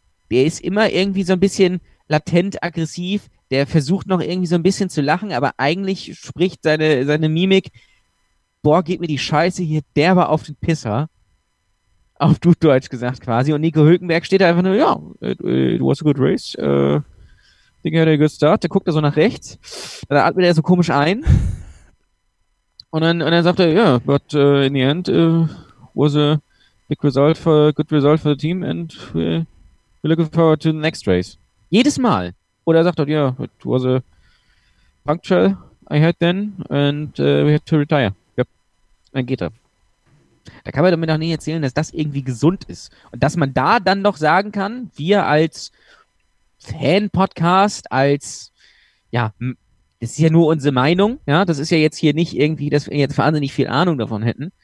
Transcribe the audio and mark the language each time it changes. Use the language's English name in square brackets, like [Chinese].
[German] Der ist immer irgendwie so ein bisschen latent aggressiv. Der versucht noch irgendwie so ein bisschen zu lachen, aber eigentlich spricht seine Mimik, boah, geht mir die Scheiße hier, der war auf den Pisser. Auf gut Deutsch gesagt quasi. Und Nico Hülkenberg steht da einfach nur, ja, [English] it was a good race. [German] Ding hat er [English] good start. [German] Der guckt da so nach rechts. Dann atmet er so komisch ein. Und dann sagt er, ja, [English] yeah, but in the end was a big result for good result for the team and we're looking forward to the next race. [German] Jedes Mal. Oder er sagt dort, ja, [English] yeah, it was a puncture I had then and we had to retire. [German] Yep. Dann geht er. Da kann man damit auch nicht erzählen, dass das irgendwie gesund ist. Und dass man da dann noch sagen kann, wir als Fan-Podcast, als, ja, das ist ja nur unsere Meinung, ja, das ist ja jetzt hier nicht irgendwie, dass wir jetzt wahnsinnig viel Ahnung davon hätten.